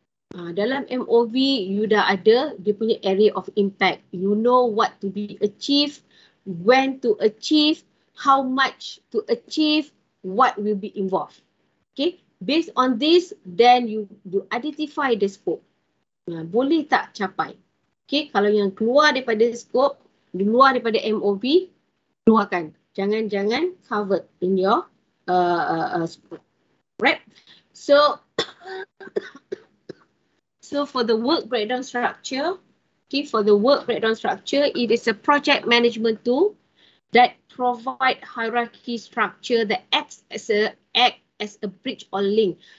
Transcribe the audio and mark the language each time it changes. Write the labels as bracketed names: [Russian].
[Malay] Dalam MOV, you dah ada dia punya [English] area of impact. You know what to be achieved, when to achieve, how much to achieve, what will be involved. Okay, based on this, then you identify the scope. [Malay] Boleh tak capai? Okay, kalau yang keluar daripada scope, di luar daripada MOV, keluarkan. Jangan [English] cover in your scope. Right? So, for the work breakdown structure, okay, for the work breakdown structure, it is a project management tool that provide hierarchy structure that acts as a bridge or link.